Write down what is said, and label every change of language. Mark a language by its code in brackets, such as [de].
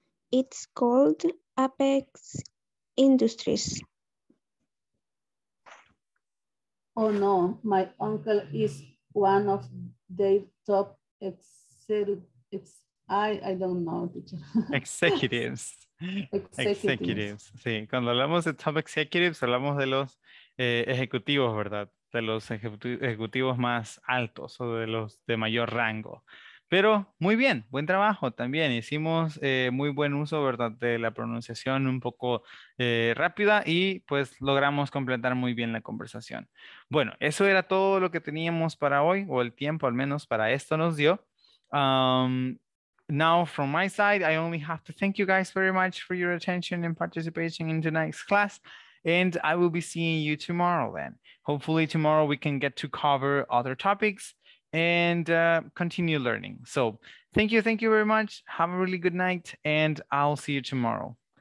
[en] It's called Apex Industries. Oh no, my uncle is one of the top executives. I don't know, teacher. Executives. Executives. [es] Sí, cuando hablamos de top executives, hablamos de los ejecutivos, ¿verdad? De los ejecutivos más altos o de los de mayor rango. Pero muy bien, buen trabajo también. Hicimos muy buen uso, ¿verdad? De la pronunciación un poco rápida y pues logramos completar muy bien la conversación. Bueno, eso era todo lo que teníamos para hoy, o el tiempo al menos para esto nos dio. [en] Now from my side, I only have to thank you guys very much for your attention and participation in tonight's class. And I will be seeing you tomorrow then. Hopefully tomorrow we can get to cover other topics and continue learning. So thank you very much. Have a really good night and I'll see you tomorrow.